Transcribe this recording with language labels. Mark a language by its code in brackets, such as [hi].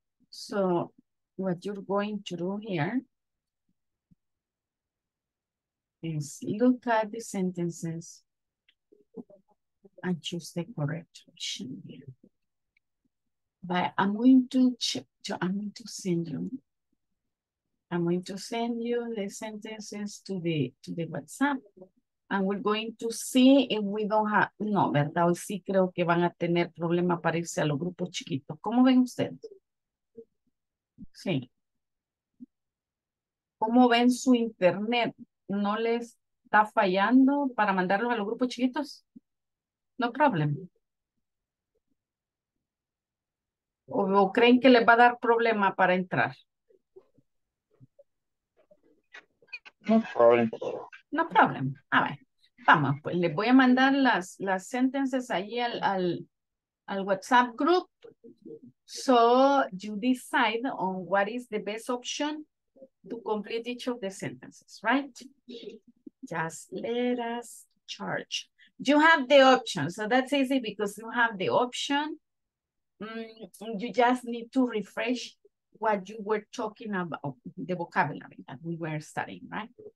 [en] So what you're going to do here is look at the sentences and choose the correct option here. But I'm going to send you the sentences to the WhatsApp. And we're going to see if we don't have, no, ¿verdad? [es] Hoy sí creo que van a tener problema para irse a los grupos chiquitos. ¿Cómo ven ustedes? Sí. ¿Cómo ven su internet? ¿No les está fallando para mandarlo a los grupos chiquitos? [en] No problem. [es] ¿O creen que les va a dar problema para entrar? [en] No problem. No problem. [es] A ver, vamos, pues les voy a mandar las sentences ahí al WhatsApp group. [en] So you decide on what is the best option to complete each of the sentences, right? Just let us charge. You have the option. So that's easy because you have the option. You just need to refresh what you were talking about, the vocabulary that we were studying, right?